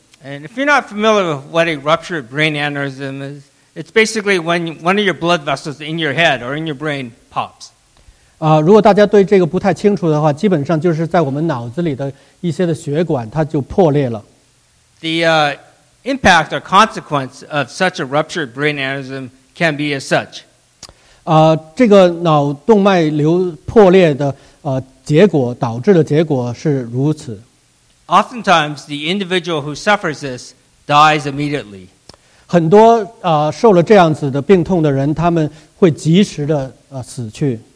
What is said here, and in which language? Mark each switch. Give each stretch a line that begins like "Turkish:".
English: And if you're not familiar with what a ruptured brain aneurysm is, it's basically when one of your blood vessels in your head or in your brain pops.
Chinese: 如果大家对这个不太清楚的话, 基本上就是在我们脑子里的一些的血管,它就破裂了。
English: The impact or consequence of such a ruptured brain aneurysm can be as such.
Chinese: 这个脑动脉瘤破裂的结果,导致的结果是如此。
English: Oftentimes, the individual who suffers this dies immediately.
Chinese: 很多受了这样子的病痛的人,他们会及时的死去。